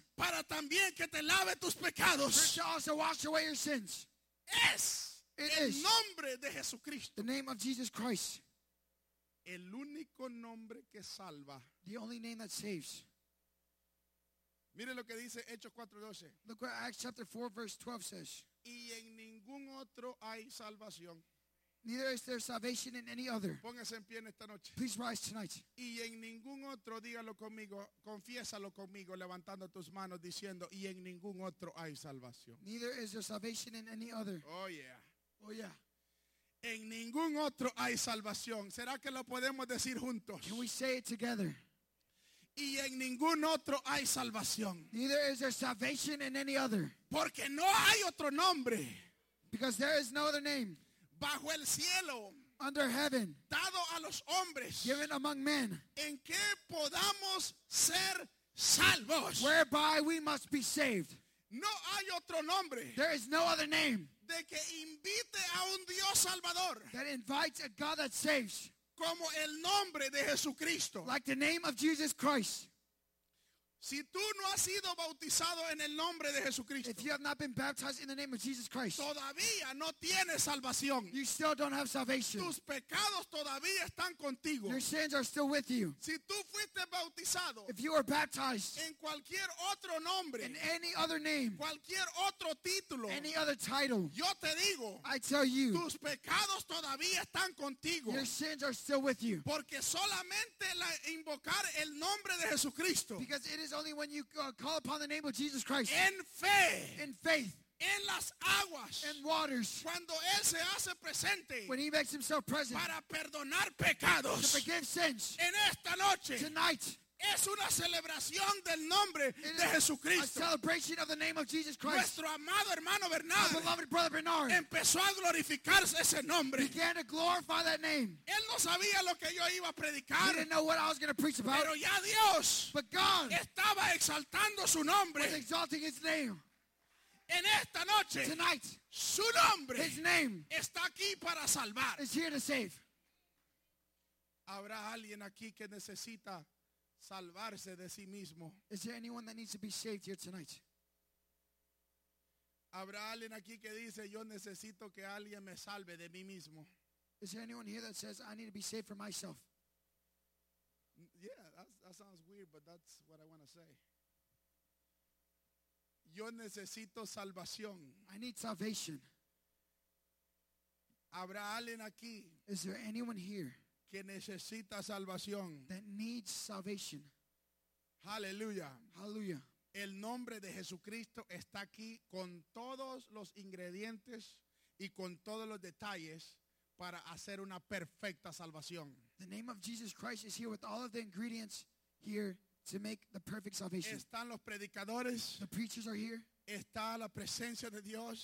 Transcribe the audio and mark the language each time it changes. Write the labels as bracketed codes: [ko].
[es] Para también que te lave tus pecados. [en] For it to also wash away your sins. [es] Es [en] it [es] el [en] is [es] nombre de Jesucristo. [en] The name of Jesus Christ. [es] El único nombre que salva. [en] The only name that saves. [es] Mire lo que dice Hechos 4:12. [en] Look what Acts chapter 4 verse 12 says. [es] Y en ningún otro hay salvación. [en] Neither is there salvation in any other. [es] Póngase en pie en esta noche. [en] Please rise tonight. [es] Y en ningún otro, dígalo conmigo, confiésalo conmigo, levantando tus manos, diciendo, y en ningún otro hay salvación. [en] Neither is there salvation in any other. Oh yeah. Oh yeah. [es] En ningún otro hay salvación. ¿Será que lo podemos decir juntos? [en] Can we say it together? [es] Y en ningún otro hay salvación. [en] Neither is there salvation in any other. [es] Porque no hay otro nombre. [en] Because there is no other name. [es] Bajo el cielo. [en] Under heaven. [es] Dado a los hombres. [en] Given among men. [es] En que podamos ser salvos. [en] Whereby we must be saved. [es] No hay otro nombre. [en] There is no other name. [es] De que invite a un Dios salvador. [en] That invites a God that saves. [es] Como el nombre de Jesucristo. [en] Like the name of Jesus Christ. [es] Si tú no has sido bautizado en el nombre de Jesucristo. [en] If you have not been baptized in the name of Jesus Christ. [es] Todavía no tienes salvación. [en] You still don't have salvation. [es] Tus pecados todavía están contigo. [en] Your sins are still with you. [es] Si tú fuiste bautizado. [en] If you were baptized. [es] En cualquier otro nombre. [en] In any other name. [es] Cualquier otro título. [en] Any other title. [es] Yo te digo. [en] I tell you. [es] Tus pecados todavía están contigo. [en] Your sins are still with you. [es] Porque solamente la invocar el nombre de Jesucristo. [en] Because it is only when you call upon the name of Jesus Christ [es] en fe, [en] in faith, [es] en las aguas, [en] and waters, [es] cuando él se hace presente, [en] when he makes himself present, [es] para perdonar pecados, [en] to forgive sins, [es] en esta noche, [en] tonight, [es] es una celebración del nombre de Jesucristo. [en] A celebration of the name of Jesus Christ. [es] Nuestro amado hermano Bernard, [en] our beloved brother Bernard, [es] empezó a glorificarse ese nombre. [en] Began to glorify that name. [es] Él no sabía lo que yo iba a predicar. [en] He didn't know what I was going to preach about. [es] Pero ya Dios, [en] but God, [es] estaba exaltando su nombre. [en] Was exalting his name. [es] En esta noche, [en] tonight, [es] su nombre, [en] his name, [es] está aquí para salvar. [en] Is here to save. [es] Habrá alguien aquí que necesita salvarse de sí mismo. [en] Is there anyone that needs to be saved here tonight? [es] Habrá alguien aquí que dice, yo necesito que alguien me salve de mí mismo. [en] Is there anyone here that says, I need to be saved for myself? Yeah, that sounds weird, but that's what I want to say. [es] Yo necesito salvación. [en] I need salvation. [es] Habrá alguien aquí. [en] Is there anyone here [es] que necesita salvación? [en] That needs salvation. Hallelujah. Hallelujah. [es] El nombre de Jesucristo está aquí con todos los ingredientes y con todos los detalles para hacer una perfecta salvación. [en] The name of Jesus Christ is here with all of the ingredients here to make the perfect salvation. [es] Están los predicadores. [en] The preachers are here. [es] Está la presencia de Dios.